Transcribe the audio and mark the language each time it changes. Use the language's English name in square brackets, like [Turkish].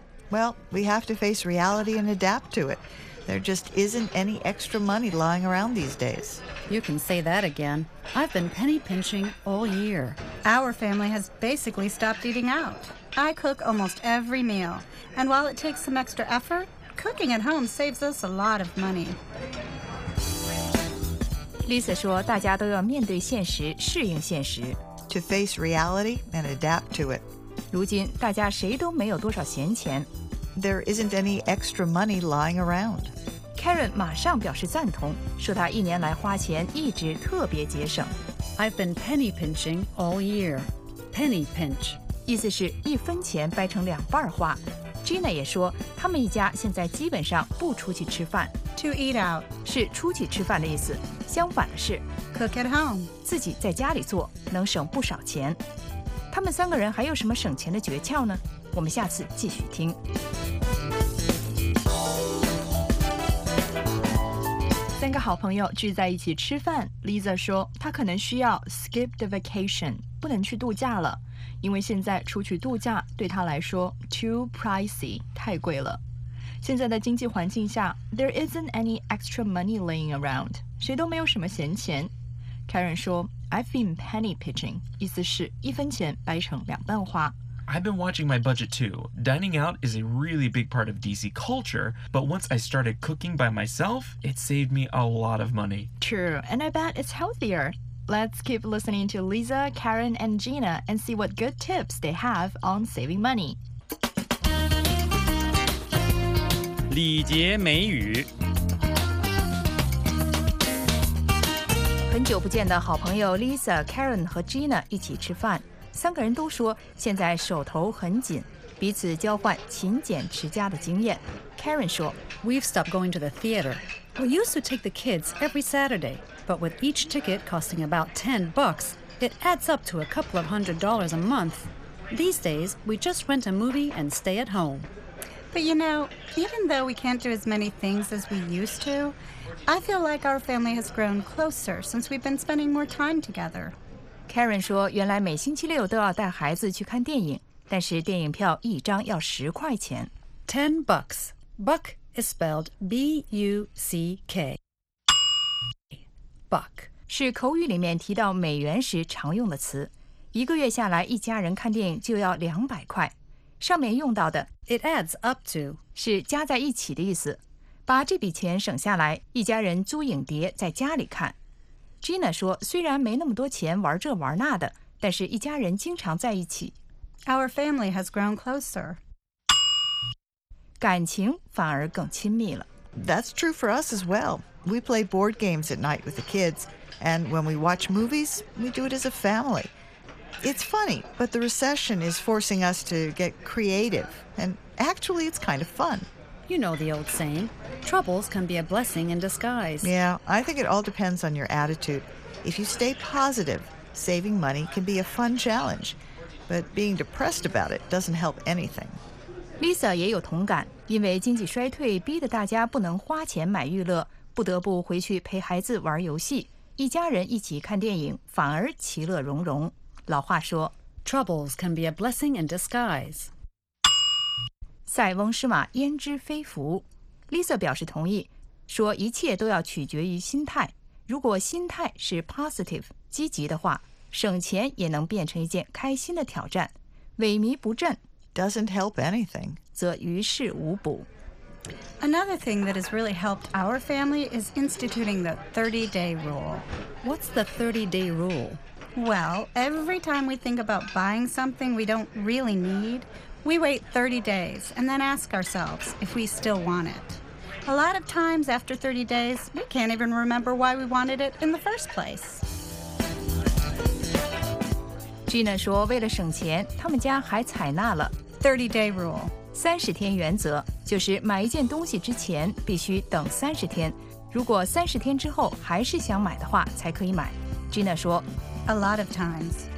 [English] Well, we have to face reality and adapt to it. There just isn't any extra money lying around these days. You can say that again. I've been penny-pinching all year. Our family has basically stopped eating out. I cook almost every meal, and while it takes some extra effort, cooking at home saves us a lot of money. [Chinese] Lisa 说大家都要面对现实，适应现实。 [English] To face reality and adapt to it. [Chinese] 如今大家谁都没有多少闲钱。 [English] There isn't any extra money lying around. [Chinese] Karen 马上表示赞同，说她一年来花钱一直特别节省。 [English] I've been penny pinching all year. Penny pinch. [Chinese] 意思是一分钱掰成两半花。Gina 也说，他们一家现在基本上不出去吃饭。 [English] To eat out. [Chinese] 是出去吃饭的意思。相反的是 [English] Cook at home. [Chinese] 自己在家里做，能省不少钱。他们三个人还有什么省钱的诀窍呢？我们下次继续听。三个好朋友聚在一起吃饭， Lisa 说她可能需要 [English] skip the vacation， [Chinese] 不能去度假了，因为现在出去度假对她来说 [English] too pricey， [Chinese] 太贵了。现在的经济环境下， [English] there isn't any extra money laying around， [Chinese] 谁都没有什么闲钱。 Karen 说 [English] I've been penny pinching， [Chinese] 意思是一分钱掰成两半花。 [English] I've been watching my budget too. Dining out is a really big part of DC culture, but once I started cooking by myself, it saved me a lot of money. True, and I bet it's healthier. Let's keep listening to Lisa, Karen, and Gina and see what good tips they have on saving money. [Chinese] 礼节美语。很久不见的好朋友 Lisa, Karen 和 Gina 一起吃饭。三个人都说现在手头很紧，彼此交换勤俭持家的经验。 Karen 说 [English] We've stopped going to the theater. We used to take the kids every Saturday, but with each ticket costing about 10 bucks, it adds up to a couple of $100 a month. These days, we just rent a movie and stay at home. But you know, even though we can't do as many things as we used to, I feel like our family has grown closer since we've been spending more time together. [Chinese] Karen 说原来每星期六都要带孩子去看电影，但是电影票一张要十块钱。 [English] 10 bucks. Buck is spelled B-U-C-K. Buck [Chinese] 是口语里面提到美元时常用的词。一个月下来一家人看电影就要200块。上面用到的 [English] It adds up to [Chinese] 是加在一起的意思。把这笔钱省下来，一家人租影碟在家里看。 Gina 说虽然没那么多钱玩这玩那的，但是一家人经常在一起。 [English] Our family has grown closer. [Chinese] 感情反而更亲密了。 [English] That's true for us as well. We play board games at night with the kids, and when we watch movies, we do it as a family. It's funny, but the recession is forcing us to get creative, and actually it's kind of fun. You know the old saying, troubles can be a blessing in disguise. Yeah, I think it all depends on your attitude. If you stay positive, saving money can be a fun challenge. But being depressed about it doesn't help anything. [Chinese] Lisa 也有同感，因为经济衰退逼得大家不能花钱买娱乐，不得不回去陪孩子玩游戏，一家人一起看电影反而其乐融融。老话说， [English] troubles can be a blessing in disguise. [Chinese] 塞翁失马焉知非福。 Lisa 表示同意，说一切都要取决于心态，如果心态是 positive 积极的话，省钱也能变成一件开心的挑战。萎靡不振 [English] doesn't help anything [Chinese] 则于事无补。 [English] Another thing that has really helped our family is instituting the 30-day rule. What's the 30-day rule? Well, every time we think about buying something we don't really needWe wait 30 days and then ask ourselves if we still want it. A lot of times after 30 days, we can't even remember why we wanted it in the first place. [Chinese] Gina 说为了省钱，他们家还采纳了 [English] 30-day rule. [Chinese] 30天原则就是买一件东西之前必须等30天。如果30天之后还是想买的话才可以买。Gina 说 [English] A lot of times.